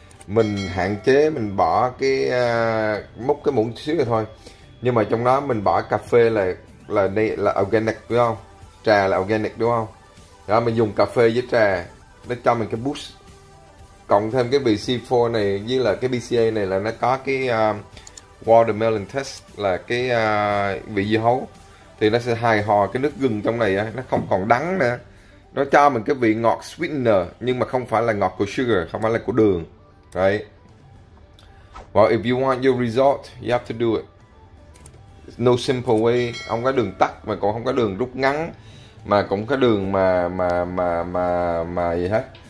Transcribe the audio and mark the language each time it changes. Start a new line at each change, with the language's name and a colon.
Vietnamese: mình hạn chế, mình bỏ cái múc cái muỗng xíu rồi thôi, nhưng mà trong đó mình bỏ cà phê là đây là organic đúng không, trà là organic đúng không, đó mình dùng cà phê với trà nó cho mình cái boost, cộng thêm cái vị C4 này với là cái BCA này là nó có cái
English: watermelon taste
Vietnamese: là cái vị dưa hấu, thì nó sẽ hài hòa cái nước gừng trong này nó không còn đắng nữa, nó cho mình cái vị ngọt sweetener nhưng mà không phải là ngọt của sugar, không phải là của đường.
English: Right. Well, if you want your result, you have to do it. No simple way.
Vietnamese: Không có đường tắt mà cũng không có đường rút ngắn mà cũng có đường mà gì hết.